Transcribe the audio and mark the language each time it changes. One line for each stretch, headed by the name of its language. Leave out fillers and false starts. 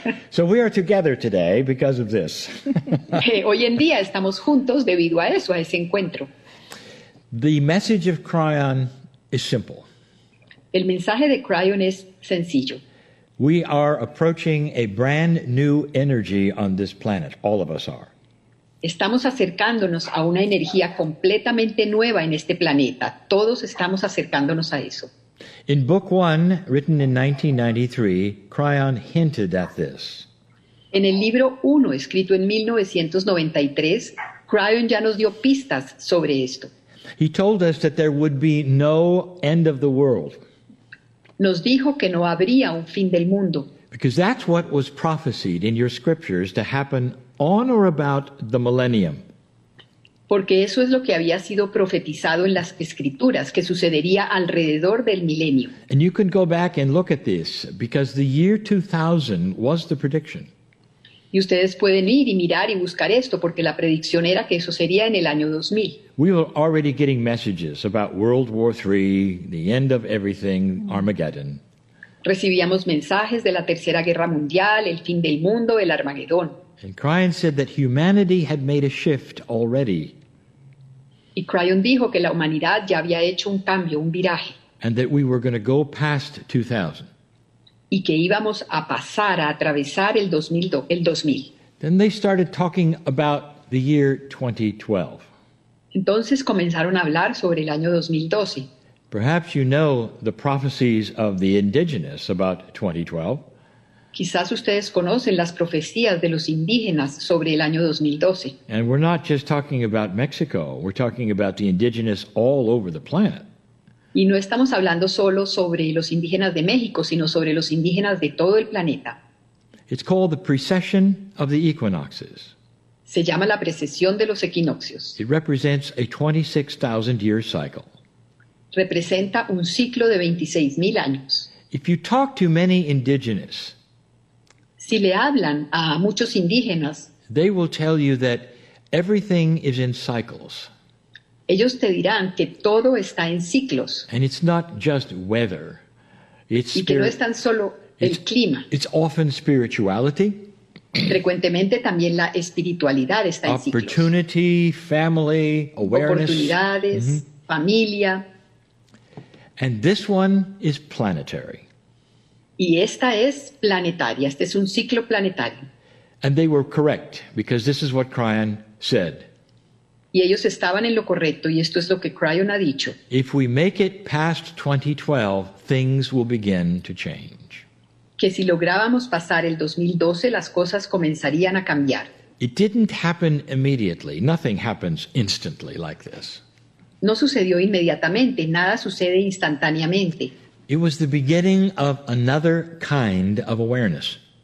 English: so we are together today because of this.
Spanish: Hoy en día estamos juntos debido a eso, a ese encuentro.
English: The message of Cryon is simple.
Spanish: El mensaje de Cryon es sencillo.
English: We are approaching a brand new energy on this planet. All of us are.
Spanish: Estamos acercándonos a una energía completamente nueva en este planeta. Todos estamos acercándonos a eso.
English: In book one, written in 1993, Kreon hinted at this.
Spanish: En el libro 1, escrito en 1993, Kreon ya nos dio pistas sobre esto.
English: He told us that there would be no end of the world.
Spanish: Nos dijo que no habría un fin del mundo.
English: Because that's what was prophesied in your scriptures to happen on or about the millennium.
Spanish: Porque eso es lo que había sido profetizado en las escrituras, que sucedería alrededor del milenio.
English: And you can go back and look at this, because the year 2000 was the prediction.
Spanish: Y ustedes pueden ir y mirar y buscar esto, porque la predicción era que eso sería en el año 2000.
English: We were already getting messages about World War III, the end of everything, Armageddon.
Spanish: Recibíamos mensajes de la Tercera Guerra Mundial, el fin del mundo, el Armagedón.
English: And Kreon said that humanity had made a shift already.
Spanish: Y Kreon dijo que la humanidad ya había hecho un cambio, un viraje.
English: And that we were going to go past 2000.
Spanish: Y que íbamos a pasar a atravesar el 2000.
English: Then they started talking about the year 2012.
Spanish: Entonces comenzaron a hablar sobre el año 2012.
English: Perhaps you know the prophecies of the indigenous about 2012.
Spanish: Quizás ustedes conocen las profecías de los indígenas sobre el año 2012.
English: And we're not just talking about Mexico, we're talking about the indigenous all over the planet.
Spanish: Y no estamos hablando solo sobre los indígenas de México, sino sobre los indígenas de todo el planeta.
English: It's called the precession of the equinoxes.
Spanish: Se llama la precesión de los equinoccios.
English: It represents a 26,000 year cycle.
Spanish: Representa un ciclo de 26,000 años.
English: If you talk to many indigenous,
Spanish: si le hablan a muchos indígenas,
English: they will tell you that everything is in cycles.
Spanish: Ellos te dirán que todo está en ciclos.
English: And it's not just weather. It's
Spanish: y que no es tan solo el clima.
English: It's often spirituality.
Spanish: Frecuentemente también la espiritualidad está en ciclos.
English: Opportunity, family, awareness.
Spanish: Oportunidades, mm-hmm. familia.
English: And this one is planetary.
Spanish: Y esta es planetaria, este es un ciclo planetario.
English: And they were correct, because this is what Kreon said.
Spanish: Y ellos estaban en lo correcto, y esto es lo que Kreon ha dicho.
English: If we make it past 2012, things will begin to change.
Spanish: Que si lográbamos pasar el 2012, las cosas comenzarían a cambiar.
English: It didn't happen immediately, nothing happens instantly like this.
Spanish: No sucedió inmediatamente, nada sucede instantáneamente.
English: It was the beginning of another kind of awareness.